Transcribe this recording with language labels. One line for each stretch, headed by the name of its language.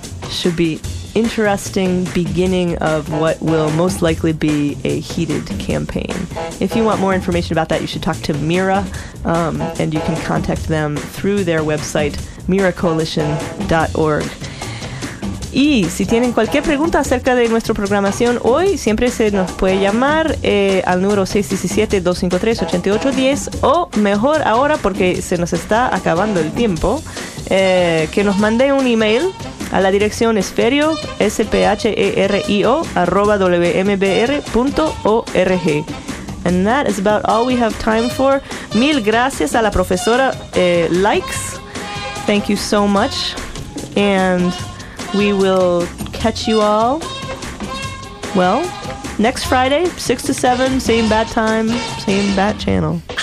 English: Should be interesting beginning of what will most likely be a heated campaign. If you want more information about that, you should talk to MIRA, and you can contact them through their website, miracoalition.org.
Spanish: Y si tienen cualquier pregunta acerca de nuestra programación hoy, siempre se nos puede llamar al número 617-253-8810 o mejor ahora porque se nos está acabando el tiempo, que nos mande un email a la dirección esperio, sphero, @wmbr.org.
English: And that is about all we have time for.
Spanish: Mil gracias a la profesora Likes.
English: Thank you so much. And we will catch you all, well, next Friday, 6 to 7, same bat time, same bat channel.